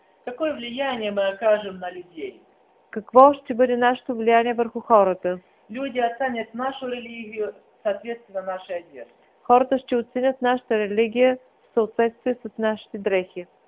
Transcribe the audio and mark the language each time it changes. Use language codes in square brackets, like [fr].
[ru] Какое влияние мы окажем на людей? [bg] Какво ще бъде нашето влияние върху хората? [ru] Люди оценят нашу религию в соответствии с нашей одеждой. [bg] Хората ще оценят нашата религия в съответствие с нашите дрехи.